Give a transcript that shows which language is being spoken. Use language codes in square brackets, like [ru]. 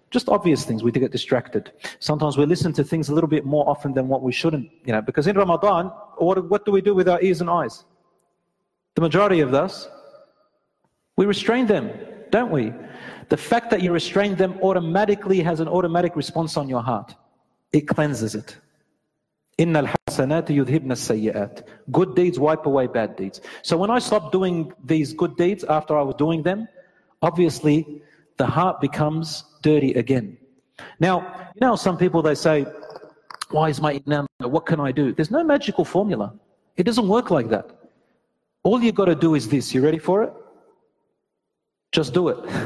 [en] Just obvious things, we do get distracted. Sometimes we listen to things a little bit more often than what we shouldn't, you know, because in Ramadan, what do we do with our ears and eyes? The majority of us, we restrain them, don't we? The fact that you restrain them automatically has an automatic response on your heart. It cleanses it. [ar] إن الحسنات يذهبن السيئات. [en] Good deeds wipe away bad deeds. So when I stopped doing these good deeds after I was doing them, obviously the heart becomes dirty again. Now, you know, some people, they say, why is my iman? What can I do? There's no magical formula. It doesn't work like that. All you got to do is this. You ready for it? Just do it.